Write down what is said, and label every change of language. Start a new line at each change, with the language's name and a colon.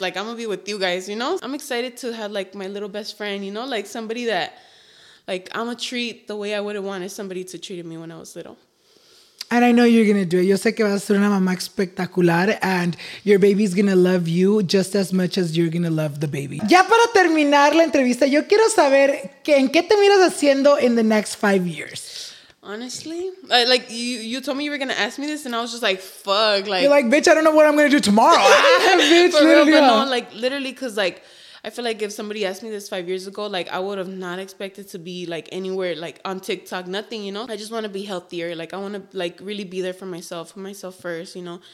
English: Like, I'm gonna be with you guys, you know? I'm excited to have, like, my little best friend, you know? Like, somebody that, like, I'm gonna treat the way I would have wanted somebody to treat me when I was little. And I know you're going to do it.
Spanish: Yo sé que vas a ser una mamá espectacular
English: and your baby's going to love you just as much as you're going to love the baby.
Spanish: Ya para terminar la entrevista, yo quiero saber en qué te miras haciendo
English: in the next 5 years. Honestly, like you told me you were going to ask me this and I was just like, fuck. Like, you're like, bitch, I don't know what I'm going to do tomorrow. Bitch, for literally. Real, but no, like literally because like, I feel like if somebody asked me this 5 years ago, like, I would have not expected to be, like, anywhere, like, on TikTok, nothing, you know? I just want to be healthier. Like, I want to, like, really be there for myself, put myself first, you know?